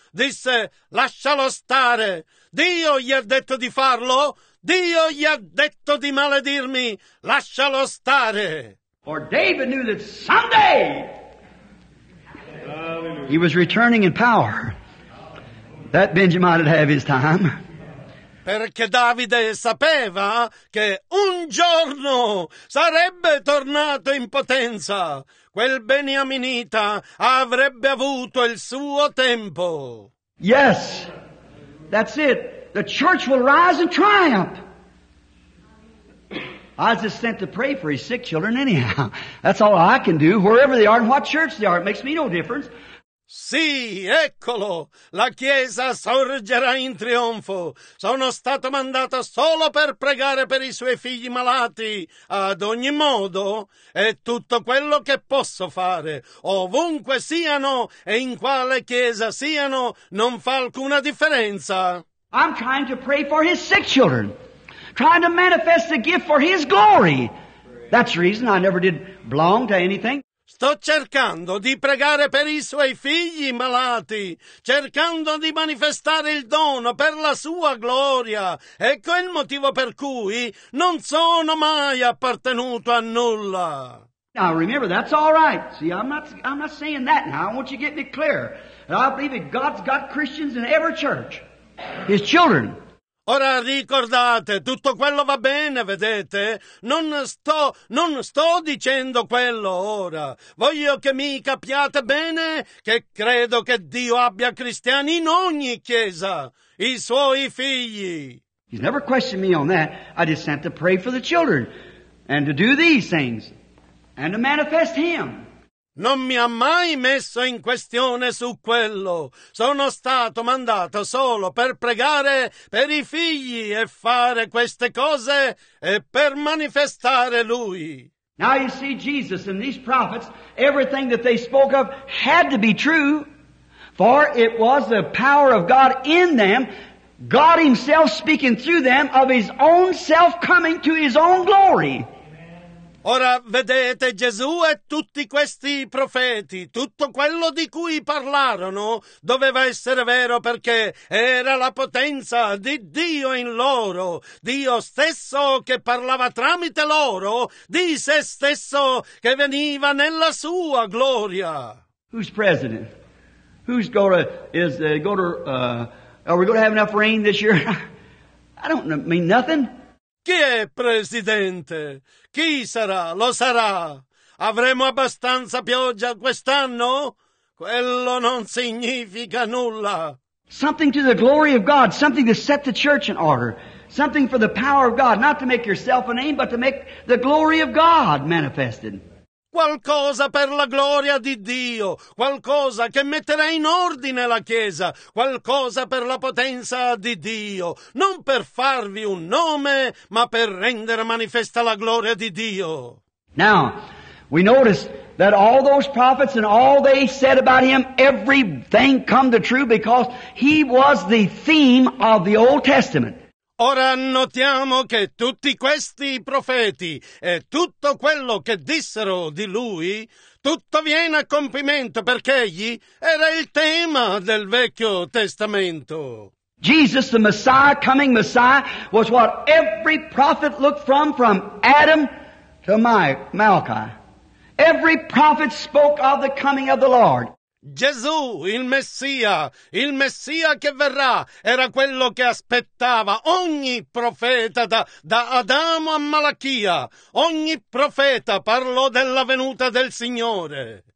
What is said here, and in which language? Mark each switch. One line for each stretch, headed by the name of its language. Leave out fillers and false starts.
Italian: Disse, lascialo stare. Dio gli ha detto di farlo. Dio gli ha detto di maledirmi. Lascialo stare.
English: For David knew that someday he was returning in power. That Benjamin would have his time.
Italian: Perché Davide sapeva che un giorno sarebbe tornato in potenza. Quel beniaminita avrebbe avuto il suo tempo.
English: Yes, that's it. The church will rise in triumph. I was just sent to pray for his sick children anyhow. That's all I can do, wherever they are and what church they are. It makes me no difference.
Italian: Sì, eccolo, la Chiesa sorgerà in trionfo. Sono stato mandato solo per pregare per i suoi figli malati. Ad ogni modo, è tutto quello che posso fare. Ovunque siano e in quale Chiesa siano, non fa alcuna differenza.
English: I'm trying to pray for his sick children. Trying to manifest the gift for his glory. That's the reason I never did belong to anything.
Italian: Sto cercando di pregare per i suoi figli malati, cercando di manifestare il dono per la sua gloria. Ecco il motivo per cui non sono mai appartenuto a nulla.
English: Now remember, that's all right. See, I'm not saying that now. I want you to get me clear. And I believe that God's got Christians in every church, his children.
Italian: Ora ricordate, tutto quello va bene, vedete? Non sto dicendo quello ora. Voglio che mi capiate bene che credo che Dio abbia cristiani in ogni chiesa, i suoi figli.
English: He's never questioned me on that. I just sent to pray for the children and to do these things and to manifest him.
Italian: Non mi ha mai messo in questione su quello. Sono stato mandato solo per pregare per i figli e fare queste cose e per manifestare lui.
English: Now you see Jesus and these prophets, everything that they spoke of had to be true, for it was the power of God in them, God himself speaking through them of his own self coming to his own glory.
Italian: Ora vedete Gesù e tutti questi profeti, tutto quello di cui parlarono doveva essere vero perché era la potenza di Dio in loro, Dio stesso che parlava tramite loro, di se stesso che veniva nella sua gloria.
English: Who's president? Who's gonna is gonna are we gonna have enough rain this year? I don't mean nothing.
Italian: Chi è presidente? Chi sarà? Lo sarà. Avremo abbastanza pioggia quest'anno? Quello non significa nulla.
English: Something to the glory of God, something to set the church in order, something for the power of God, not to make yourself a name, but to make the glory of God manifested.
Italian: Qualcosa per la gloria di Dio, qualcosa che metterà in ordine la Chiesa, qualcosa per la potenza di Dio, non per farvi un nome, ma per rendere manifesta la gloria di Dio.
English: Now, we notice that all those prophets and all they said about him, everything come to true because he was the theme of the Old Testament.
Italian: Ora notiamo che tutti questi profeti e tutto quello che dissero di lui, tutto viene a compimento perché egli era il tema del Vecchio Testamento.
English: Jesus, the Messiah, coming Messiah, was what every prophet looked from Adam to Malachi. Every prophet spoke of the coming of the Lord.
Italian: Gesù, il Messia che verrà, era quello che aspettava ogni profeta da Adamo a Malachia. Ogni profeta parlò della venuta del Signore.